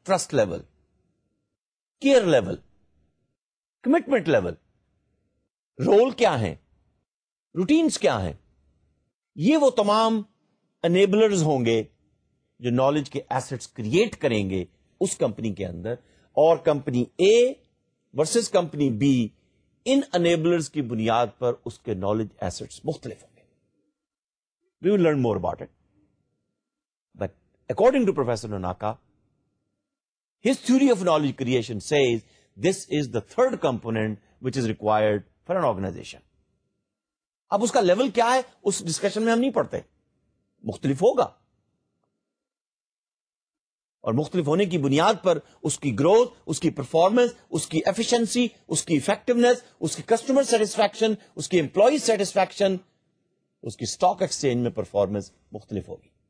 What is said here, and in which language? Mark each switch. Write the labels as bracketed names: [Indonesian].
[Urdu] Trust level, care level, commitment level, role کیا ہے, routines کیا ہیں, یہ وہ تمام انیبلرز ہوں گے جو نالج کے ایسٹس کریٹ کریں گے اس کمپنی کے اندر. اور company A versus company B, in enablers کی بنیاد پر اس کے نالج ایسٹس مختلف ہوں گے. [English] We will learn more about it, but according to professor Nonaka, his theory of knowledge creation says this is the third component which is required for an organisation. [Urdu] اب اس کا level کیا ہے اس ڈسکشن میں ہم نہیں پڑھتے, مختلف ہوگا اور مختلف ہونے کی بنیاد پر اس کی گروتھ, اس کی پرفارمنس, اس کی ایفیشنسی, اس کی افیکٹونیس, اس کی کسٹمر سیٹسفیکشن, اس کی امپلائی سیٹسفیکشن, اس کی اسٹاک ایکسچینج میں پرفارمنس مختلف ہوگی.